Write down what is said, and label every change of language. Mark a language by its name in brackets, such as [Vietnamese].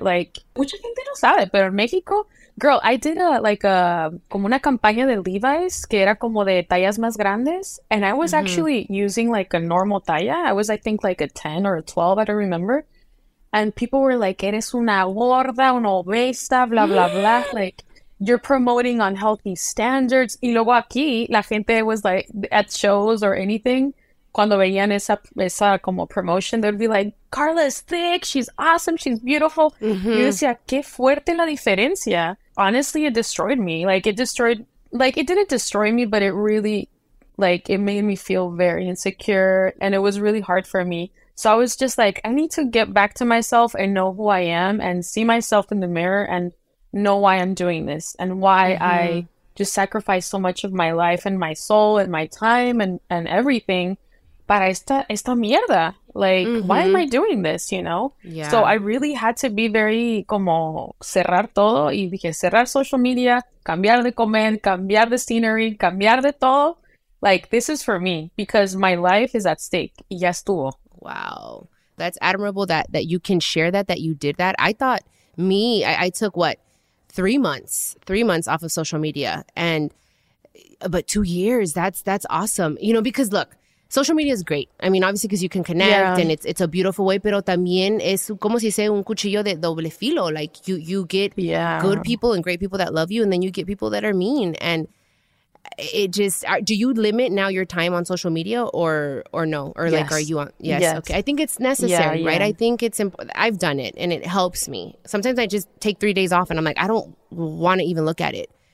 [Spanish] Like, mucha gente no sabe, pero en México, [English] girl, I did [Spanish] como una campaña de Levi's que era como de tallas más grandes. [English] And I was mm-hmm. actually using like a normal talla. I was, I think, like a 10 or a 12, I don't remember. And people were like, [Spanish] eres una gorda, una obesa, [English] blah, blah, blah. Like, you're promoting unhealthy standards. [Spanish] Y luego aquí, la gente [English] was like, at shows or anything, [Spanish] cuando veían esa como [English] promotion, they'd be like, Carla is thick, she's awesome, she's beautiful. [Spanish] Mm-hmm. Yo decía, qué fuerte la diferencia. [English] Honestly, it destroyed me. Like, it didn't destroy me, but it really, like, it made me feel very insecure. And it was really hard for me. So I was just like, I need to get back to myself and know who I am and see myself in the mirror and know why I'm doing this and why mm-hmm. I just sacrificed so much of my life and my soul and my time and everything. [Spanish] Para esta mierda. [English] Like, mm-hmm. why am I doing this, you know? Yeah. So I really had to be very, como, [Spanish] cerrar todo. Y dije, cerrar social media, cambiar de comer, cambiar de scenery, cambiar de todo. [English] Like, this is for me, because my life is at stake. [Spanish] Y ya estuvo. [English] Wow. That's admirable that you can share that you did that. I thought, I took, what, 3 months off of social media. But 2 years, that's awesome. You know, because look, social media is great. I mean, obviously, because you can connect yeah. and it's a beautiful way. [Spanish] Pero también es como si se un cuchillo de doble filo. [English] Like, you get yeah. good people and great people that love you. And then you get people that are mean. And it just, do you limit now your time on social media or no? Or yes. like, are you on? Yes. yes. Okay. I think it's necessary, yeah, right? Yeah. I think it's important. I've done it and it helps me. Sometimes I just take 3 days off and I'm like, I don't want to even look at it.